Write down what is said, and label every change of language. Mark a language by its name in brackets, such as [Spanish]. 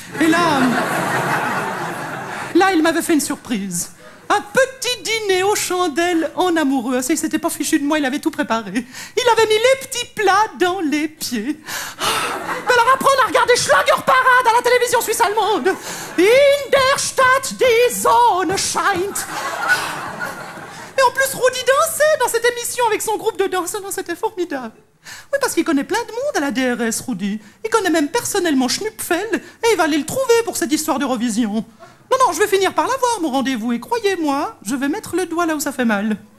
[French] Et là, il m'avait fait une surprise. Un petit dîner aux chandelles en amoureux. Il s'était pas fichu de moi, il avait tout préparé. Il avait mis les petits plats dans les pieds. Mais alors après, on a regardé Schlager Parade à la télévision suisse-allemande. [German] In der Stadt die Sonne scheint. [French] Et en plus, Rudy dansait dans cette émission avec son groupe de danse. Non, c'était formidable. Oui, parce qu'il connaît plein de monde à la DRS, Rudy. Il connaît même personnellement Schnupfel et il va aller le trouver pour cette histoire d'Eurovision. Non, non, je vais finir par l'avoir, mon rendez-vous. Et croyez-moi, je vais mettre le doigt là où ça fait mal.